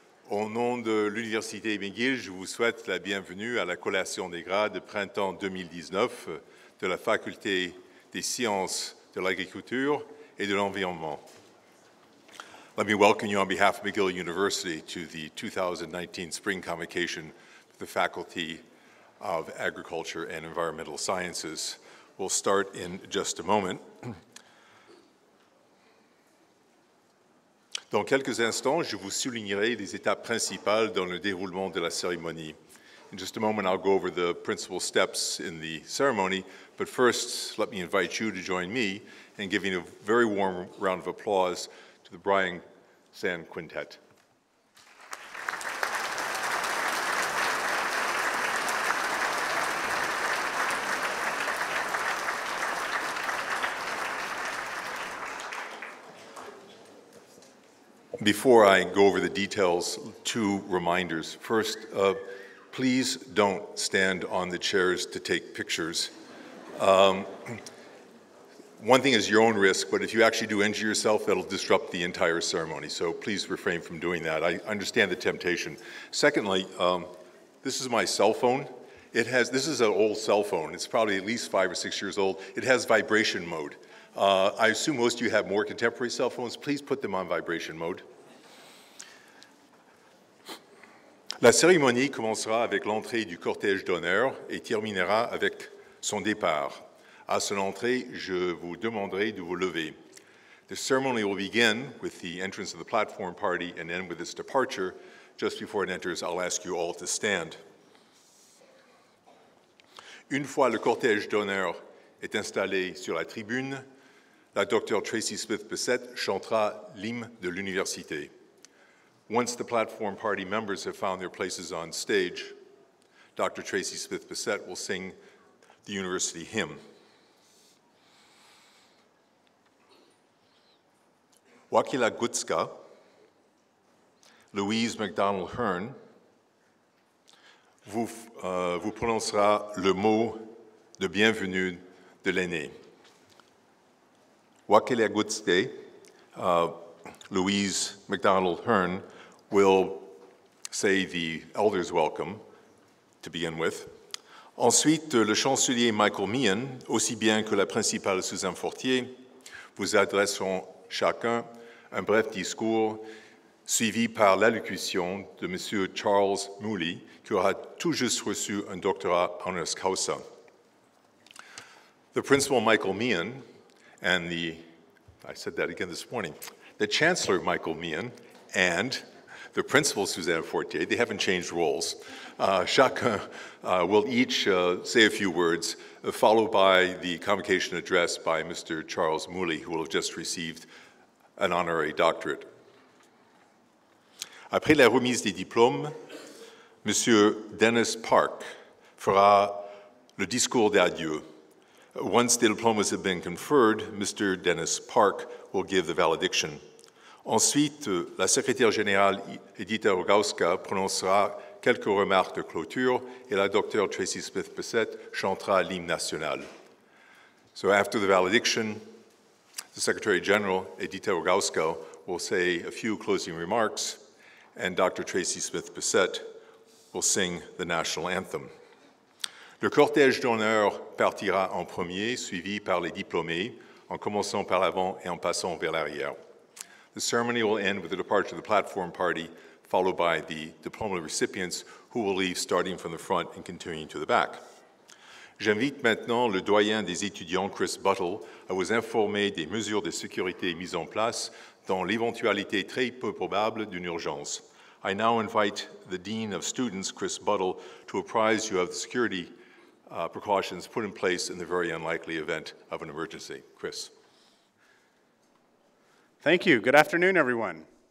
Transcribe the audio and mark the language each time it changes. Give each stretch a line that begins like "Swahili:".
French: Au nom de l'Université McGill, je vous souhaite la bienvenue à la collation des grades de printemps 2019 de la Faculté des sciences de l'agriculture et de l'environnement.
English: Let me welcome you on behalf of McGill University to the 2019 spring convocation for the Faculty of Agriculture and Environmental Sciences. We'll start in just a moment.
French: Dans quelques instants, je vous soulignerai les étapes principales dans le déroulement de la cérémonie.
English: In just a moment, I'll go over the principal steps in the ceremony, but first, let me invite you to join me in giving a very warm round of applause to the Brian Sand Quintet. Before I go over the details, two reminders. First, please don't stand on the chairs to take pictures. One thing is your own risk, but if you actually do injure yourself, that'll disrupt the entire ceremony. So please refrain from doing that. I understand the temptation. Secondly, this is my cell phone. This is an old cell phone. It's probably at least 5 or 6 years old. It has vibration mode. I assume most of you have more contemporary cell phones. Please put them on vibration mode.
French: La cérémonie commencera avec l'entrée du cortège d'honneur et terminera avec son départ. À son entrée, je vous demanderai de vous lever.
English: The ceremony will begin with the entrance of the platform party and end with its departure. Just before it enters, I'll ask you all to stand.
French: Une fois le cortège d'honneur est installé sur la tribune, la Dr. Tracy Smith Bessette chantera l'hymne de l'université.
English: Once the platform party members have found their places on stage, Dr. Tracy Smith Bessette will sing the university hymn.
French: Wakila Gutzka, Louise McDonald Hearn, vous prononcera le mot de bienvenue de l'aîné.
English: Wakila Gutzka, Louise McDonald Hearn, will say the elder's welcome, to begin with.
French: Ensuite, le chancelier Michael Meehan, aussi bien que la principale Suzanne Fortier, vous adresseront chacun un bref discours suivi par l'allocution de Monsieur Charles Mouly, qui aura tout juste reçu un doctorat honoris causa.
English: The principal Michael Meehan and the, I said that again this morning, the chancellor Michael Meehan and the principal, Suzanne Fortier, they haven't changed roles. Chacun will each say a few words, followed by the convocation address by Mr. Charles Mouly, who will have just received an honorary doctorate.
French: Après la remise des diplômes, Monsieur Dennis Park fera le discours d'adieu.
English: Once the diplomas have been conferred, Mr. Dennis Park will give the valediction.
French: Ensuite, la secrétaire générale Edita Rogowska prononcera quelques remarques de clôture et la docteur Tracy Smith Bessette chantera l'hymne national.
English: So after the valediction, the secretary general Edita Rogowska will say a few closing remarks and Dr. Tracy Smith Bessette will sing the national anthem.
French: Le cortège d'honneur partira en premier, suivi par les diplômés, en commençant par l'avant et en passant vers l'arrière.
English: The ceremony will end with the departure of the platform party, followed by the diploma recipients who will leave starting from the front and continuing to the back.
French: J'invite maintenant le doyen des étudiants, Chris Buttle, à vous informer des mesures de sécurité mises en place dans l'éventualité très peu probable d'une urgence.
English: I now invite the dean of students, Chris Buttle, to apprise you of the security precautions put in place in the very unlikely event of an emergency. Chris. Thank you. Good afternoon, everyone.